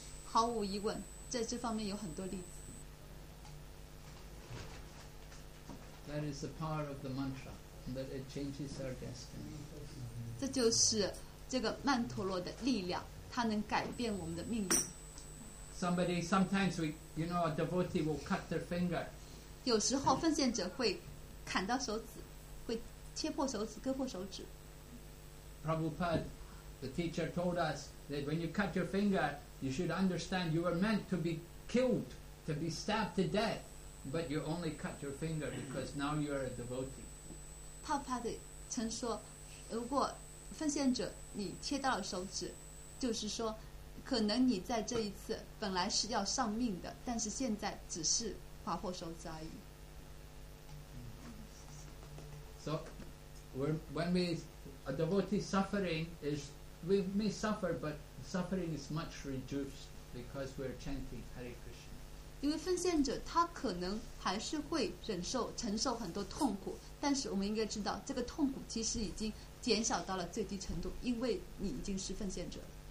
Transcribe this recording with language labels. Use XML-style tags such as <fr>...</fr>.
<zh>毫无疑问，在这方面有很多例子。</zh> <en>That is the power of the mantra, that it changes our destiny.</en> <zh>这就是这个曼陀罗的力量，它能改变我们的命运。</zh> <en>Somebody, sometimes we, you know, a devotee will cut their finger.</en> <zh>有时候奉献者会砍到手指，会切破手指，割破手指。</zh> <en>Prabhupada, the teacher told us that when you cut your finger, you should understand you were meant to be killed, to be stabbed to death, but you only cut your finger because now you are a devotee.</en> <zh>Prabhupada 曾说，如果奉献者你切到了手指，就是说，可能你在这一次本来是要丧命的，但是现在只是。划破手指而已。</zh> <en>So, when we a devotee suffering is we may suffer, but suffering is much reduced because we're chanting Hare Krishna.</en> <zh>因为奉献者他可能还是会忍受承受很多痛苦，但是我们应该知道这个痛苦其实已经减少到了最低程度，因为你已经是奉献者了。</zh>